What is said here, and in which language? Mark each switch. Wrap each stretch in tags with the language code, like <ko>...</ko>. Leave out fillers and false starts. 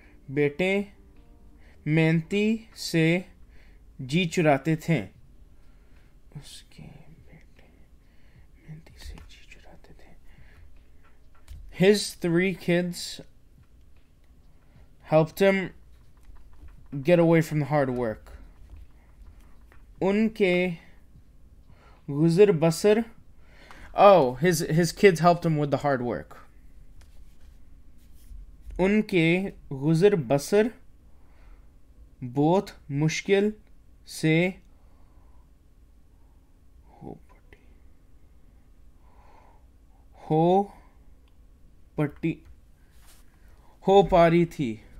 <hi>बेटे मेहनती से जी चुराते थे, उसके बेटे मेहनती से जी चुराते थे।</hi> <en>His three kids helped him get away from the hard work.</en> <hi>उनके गुजर बसर,</hi> <en>his kids helped him with the hard work.</en> <hi>उनके गुजर बसर बहुत मुश्किल से हो पा रही थी।</hi>